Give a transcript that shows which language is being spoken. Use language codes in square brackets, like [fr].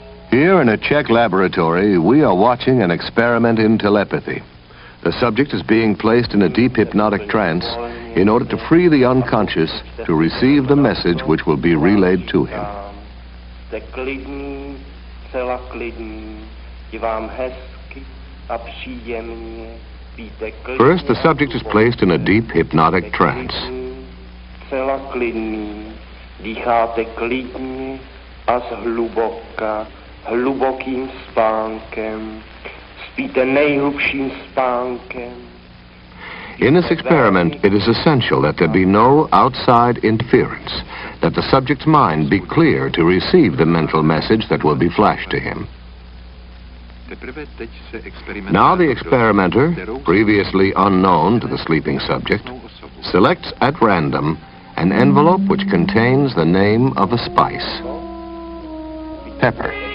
[en] Here in a Czech laboratory, we are watching an experiment in telepathy. The subject is being placed in a deep hypnotic trance in order to free the unconscious to receive the message which will be relayed to him. [cs] Jste klidní, celá klidní, je vám hezky a příjemně. [en] First, the subject is placed in a deep hypnotic trance. [cs] Celá klidní, dýcháte klidně a zhluboka. Hlubokým spánkem, spíte nejhlubším spánkem. [en] In this experiment, it is essential that there be no outside interference, that the subject's mind be clear to receive the mental message that will be flashed to him. Now the experimenter, previously unknown to the sleeping subject, selects at random an envelope which contains the name of a spice. Pepper.